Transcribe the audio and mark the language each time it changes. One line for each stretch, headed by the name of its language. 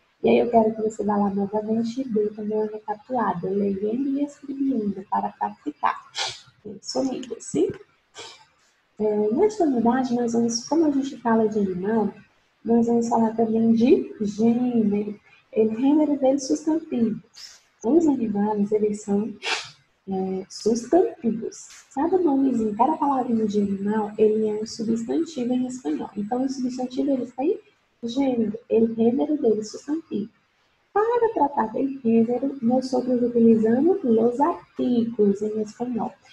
Portuguese: E aí eu quero que você vá lá novamente e dê também uma recapitulada, lendo e escrevendo para praticar os sonidos, sim? Nesta unidade, nós vamos, como a gente fala de animal, nós vamos falar também de gênero.
Spanish: El género de sustantivos.
Portuguese: Os animais, eles são sustantivos. Cada nomezinho, cada palavrinha de animal, ele é um substantivo em espanhol. Então, o substantivo, ele está aí? Gênero.
Spanish: El género
Portuguese: dele, sustantivo. Para tratar
Spanish: del género,
Portuguese: nós sempre utilizamos
Spanish: los artículos
Portuguese: em espanhol.